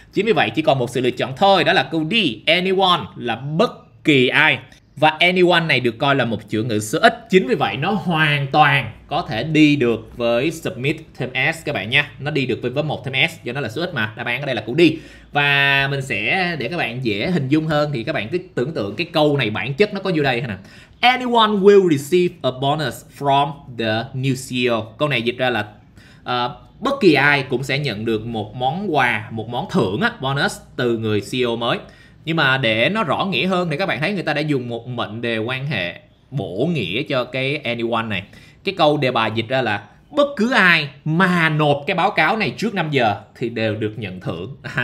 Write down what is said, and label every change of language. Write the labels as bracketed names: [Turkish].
[Vietnamese] Chính vì vậy chỉ còn một sự lựa chọn thôi, đó là câu d, anyone là bất kỳ ai, và anyone này được coi là một chủ ngữ số ít, chính vì vậy nó hoàn toàn có thể đi được với submit thêm s các bạn nha, nó đi được với verb một thêm s do nó là số ít mà. Đáp án ở đây là câu d, và mình sẽ để các bạn dễ hình dung hơn thì các bạn cứ tưởng tượng cái câu này bản chất nó có vô đây nè. [English] Anyone will receive a bonus from the new CEO. [Vietnamese] Câu này dịch ra là bất kỳ ai cũng sẽ nhận được một món quà, một món thưởng á, bonus từ người CEO mới. Nhưng mà để nó rõ nghĩa hơn thì các bạn thấy người ta đã dùng một mệnh đề quan hệ bổ nghĩa cho cái anyone này. Cái câu đề bài dịch ra là bất cứ ai mà nộp cái báo cáo này trước 5 giờ thì đều được nhận thưởng.